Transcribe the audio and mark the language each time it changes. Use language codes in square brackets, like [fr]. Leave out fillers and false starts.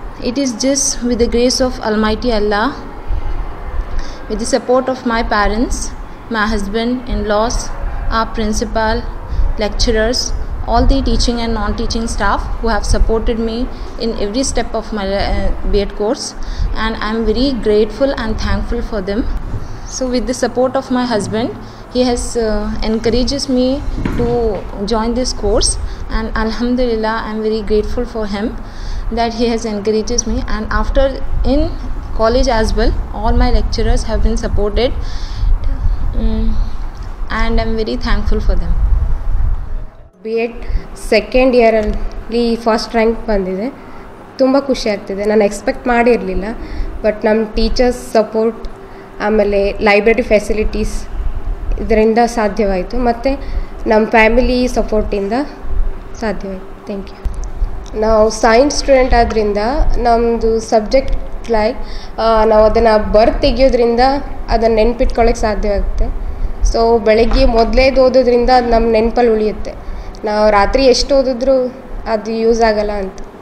[en] It is just with the grace of almighty Allah, with the support of my parents, my husband and laws, our principal, lecturers, all the teaching and non teaching staff who have supported me in every step of my BEd course, and I am very grateful and thankful for them. So with the support of my husband, he has encourages me to join this course, and alhamdulillah I'm very grateful for him that he has encourages me, and after in college as well all my lecturers have been supported and I'm very thankful for them. [kn] B.Ed second year alli first rank bandide, tumba khushi aagtide, nan expect maadirilla, but nam teachers support amale library facilities ಇದರಿಂದ ಸಾಧ್ಯವಾಯಿತು, ಮತ್ತು ನಮ್ಮ family ಸಪೋರ್ಟಿಂದ ಸಾಧ್ಯವಾಯಿತು. [en] Thank you. [kn] ನಾವು science student ಆದ್ದರಿಂದ ನಮ್ಮದು subject like ನಾವು ಅದನ್ನು ಬರ್ತ್ ತೆಗೆಯೋದ್ರಿಂದ ಅದನ್ನು ನೆನ್ಪಿಟ್ಕೊಳ್ಳೋಕ್ಕೆ ಸಾಧ್ಯವಾಗುತ್ತೆ. ಸೊ ಬೆಳಗ್ಗೆ ಮೊದಲೇದು ಓದೋದ್ರಿಂದ ಅದು ನಮ್ಮ ನೆನಪಲ್ಲಿ ಉಳಿಯುತ್ತೆ, ನಾವು ರಾತ್ರಿ ಎಷ್ಟು ಓದಿದ್ರೂ ಅದು ಯೂಸ್ ಆಗಲ್ಲ ಅಂತ.